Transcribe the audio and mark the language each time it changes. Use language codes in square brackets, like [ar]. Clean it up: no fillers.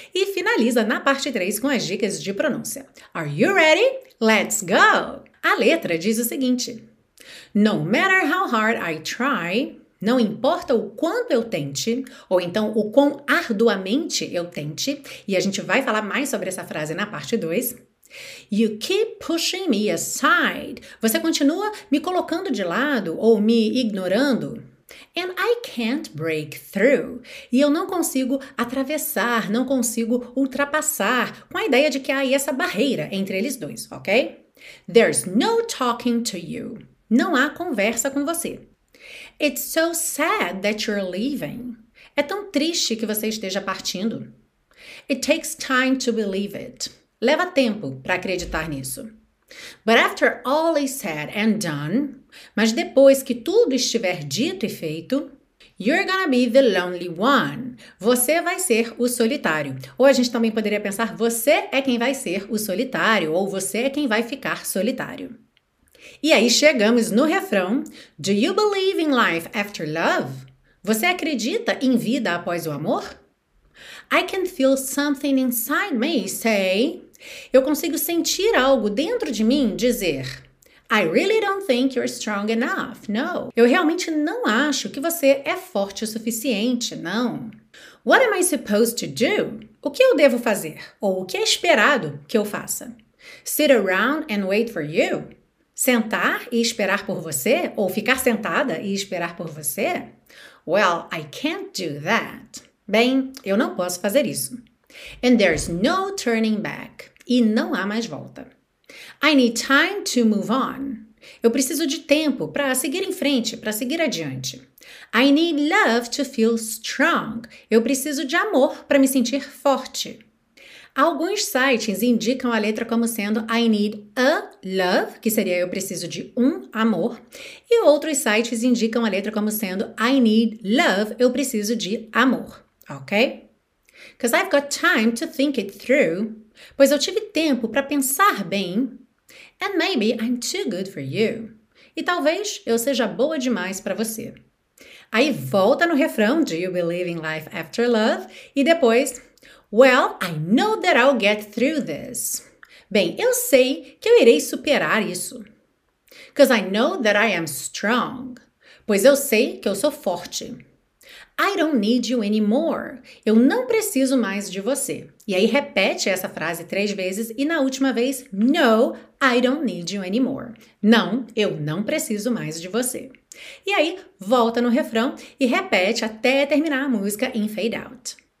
[pt] E finaliza na parte 3, com as dicas de pronúncia. [en] Are you ready? Let's go! [pt] A letra diz o seguinte: [en] No matter how hard I try, [pt] não importa o quanto eu tente, ou então o quão arduamente eu tente, e a gente vai falar mais sobre essa frase na parte 2. [en] You keep pushing me aside. [pt] Você continua me colocando de lado ou me ignorando. [en] And I can't break through. [pt] E eu não consigo atravessar, não consigo ultrapassar, com a ideia de que há aí essa barreira entre eles dois, ok? [en] There's no talking to you. [pt] Não há conversa com você. [en] It's so sad that you're leaving. [pt] É tão triste que você esteja partindo. [en] It takes time to believe it. [pt] Leva tempo para acreditar nisso. [en] But after all is said and done, [pt] mas depois que tudo estiver dito e feito, [en] you're gonna be the lonely one. [pt] Você vai ser o solitário. Ou a gente também poderia pensar, você é quem vai ser o solitário, ou você é quem vai ficar solitário. E aí chegamos no refrão: [en] Do you believe in life after love? [pt] Você acredita em vida após o amor? [en] I can feel something inside me say. [pt] Eu consigo sentir algo dentro de mim dizer. [en] I really don't think you're strong enough, no. [pt] Eu realmente não acho que você é forte o suficiente, não. [en] What am I supposed to do? [pt] O que eu devo fazer? Ou o que é esperado que eu faça? [en] Sit around and wait for you? [pt] Sentar e esperar por você? Ou ficar sentada e esperar por você? [en] Well, I can't do that. [pt] Bem, eu não posso fazer isso. [en] And there's no turning back. [pt] E não há mais volta. [en] I need time to move on. [pt] Eu preciso de tempo para seguir em frente, para seguir adiante. [en] I need love to feel strong. [pt] Eu preciso de amor para me sentir forte. Alguns sites indicam a letra como sendo [en] I need a love, [pt] que seria eu preciso de um amor. E outros sites indicam a letra como sendo [en] I need love, [pt] eu preciso de amor. Ok? [en] Because I've got time to think it through. [pt] Pois eu tive tempo para pensar bem. [en] And maybe I'm too good for you. [pt] E talvez eu seja boa demais para você. Aí volta no refrão de You Believe in Life After Love. E depois, [en] well, I know that I'll get through this. [pt] Bem, eu sei que eu irei superar isso. [en] Because I know that I am strong. [pt] Pois eu sei que eu sou forte. [en] I don't need you anymore. [pt] Eu não preciso mais de você. E aí repete essa frase 3 vezes e na última vez, [en] no, I don't need you anymore. [pt] Não, eu não preciso mais de você. E aí volta no refrão e repete até terminar a música em fade out.